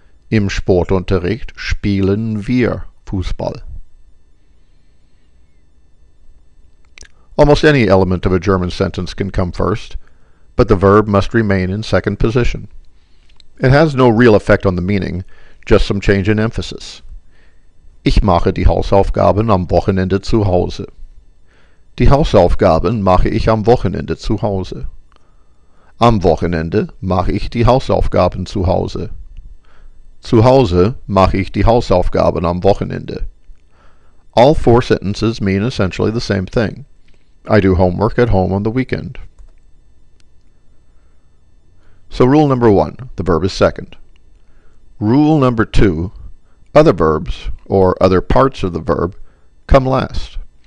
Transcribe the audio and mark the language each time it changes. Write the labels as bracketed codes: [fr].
[de] Im Sportunterricht spielen wir Fußball. [en] Almost any element of a German sentence can come first, but the verb must remain in second position. It has no real effect on the meaning, just some change in emphasis. [de] Ich mache die Hausaufgaben am Wochenende zu Hause. Die Hausaufgaben mache ich am Wochenende zu Hause. Am Wochenende mache ich die Hausaufgaben zu Hause. Zu Hause mache ich die Hausaufgaben am Wochenende. [en] All four sentences mean essentially the same thing. I do homework at home on the weekend. So rule number one, the verb is second. Rule number two, other verbs, or other parts of the verb, come last.